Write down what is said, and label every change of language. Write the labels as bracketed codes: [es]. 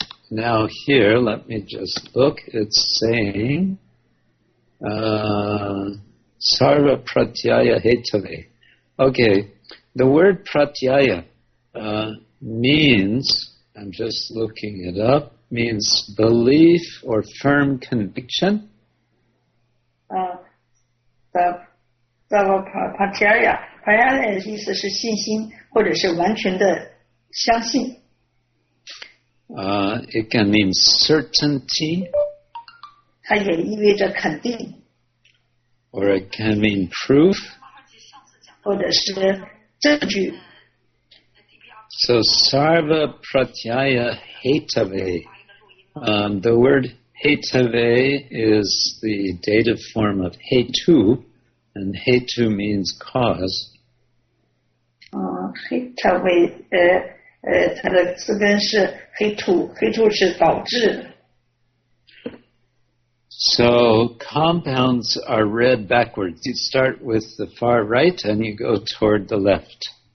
[en] Now here, let me just look. It's saying, [sa] sarva pratyaya hetave. [en] Okay, the word pratyaya means, I'm just looking it up, means belief or firm conviction. [sa] Sarva pratyaya. [zh] Pratyaya 的意思是信心，或者是完全的相信。 [en] It can mean certainty. [zh] 它也意味着肯定。 [en] Or it can mean proof. [zh] 或者是证据。 [sa] So sarva pratyaya hetave. [en] The word hetave is the dative form of hetu, and hetu means cause. [zh] Hetave, 它的词根是hetu, hetu是导致。 [en] So compounds are read backwards. You start with the far right and you go toward the left.